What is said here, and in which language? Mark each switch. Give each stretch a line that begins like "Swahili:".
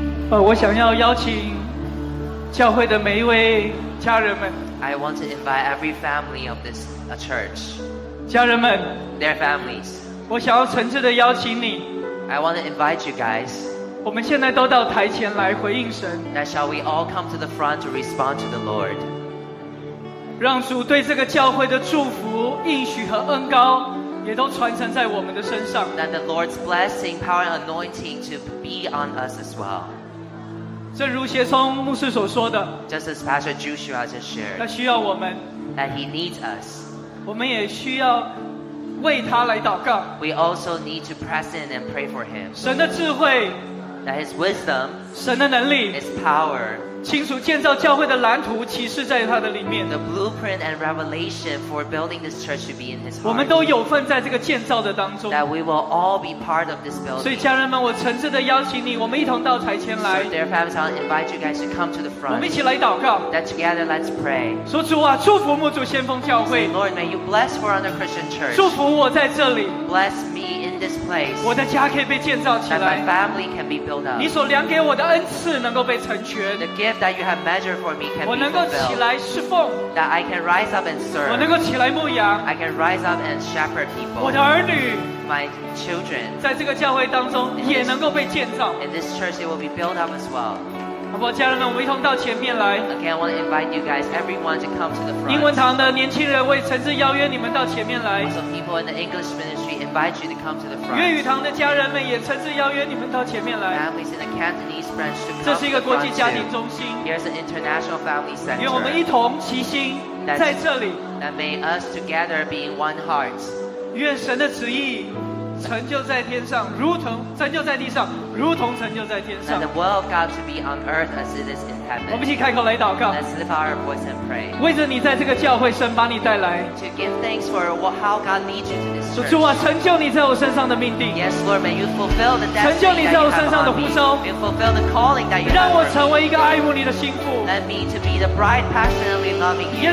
Chinese: 我想要邀请教会的每一位家人们。
English: I want to invite every family of this church.
Chinese: 家人们。
English: Their families.
Chinese: 我想要诚挚的邀请你。
English: I want to invite you guys.
Chinese: 我们现在都到台前来回应神。
English: Now shall we all come to the front to respond to the Lord?
Chinese: 让主对这个教会的祝福、应许和恩膏。也都传承在我们的身上。
English: That the Lord's blessing, power, and anointing to be on us as well.
Chinese: 正如协松牧师所说的。
English: Just as Pastor Joshua just shared.
Chinese: 他需要我们。
English: That he needs us.
Chinese: 我们也需要为他来祷告。
English: We also need to press in and pray for him.
Chinese: 神的智慧。
English: That his wisdom.
Chinese: 神的能力。
English: His power.
Chinese: 清楚建造教会的蓝图启示在他的里面。
English: The blueprint and revelation for building this church should be in his heart.
Chinese: 我们都有份在这个建造的当中。
English: That we will all be part of this building.
Chinese: 所以家人们，我诚挚的邀请你，我们一同到台前来。
English: So dear families, I invite you guys to come to the front.
Chinese: 我们一起来祷告。
English: That together, let's pray.
Chinese: 说主啊，祝福牧主先锋教会。
English: Say, Lord, may you bless for under Christian church.
Chinese: 祝福我在这里。
English: Bless me in this place.
Chinese: 我的家可以被建造起来。
English: And my family can be built up.
Chinese: 你所量给我的恩赐能够被成全。
English: The gift that you have measured for me can be fulfilled.
Chinese: 我能够起来侍奉。
English: That I can rise up and serve.
Chinese: 我能够起来牧养。
English: I can rise up and shepherd people.
Chinese: 我的儿女。
English: My children.
Chinese: 在这个教会当中也能够被建造。
English: In this church, it will be built up as well.
Chinese: 好不好，家人们，我们一同到前面来。
English: Again, I want to invite you guys, everyone, to come to the front.
Chinese: 英文堂的年轻人为诚挚邀约你们到前面来。
English: Some people in the English ministry invite you to come to the front.
Chinese: 粤语堂的家人们也诚挚邀约你们到前面来。
English: Families in the Cantonese branch to come to the
Chinese: front. 这是一个国际家庭中心。
English: Here's an international family center.
Chinese: 愿我们一同齐心在这里。
English: That may us together be in one heart.
Chinese: 愿神的旨意。成就在天上，如同成就在地上，如同成就在天上。
English: The will of God to be on earth as it is in heaven.
Chinese: 我们一起开口来祷告。
English: Let's lift our voice and pray.
Chinese: 为着你在这个教会神把你带来。
English: To give thanks for how God leads you to this church.
Chinese: 主啊，成就你在我身上的命定。
English: Yes, Lord, may you fulfill the destiny.
Chinese: 成就你在我身上的呼召。
English: May you fulfill the calling that you
Chinese: 让我成为一个爱慕你的心腹。
English: Let me to be the bride passionately loving you.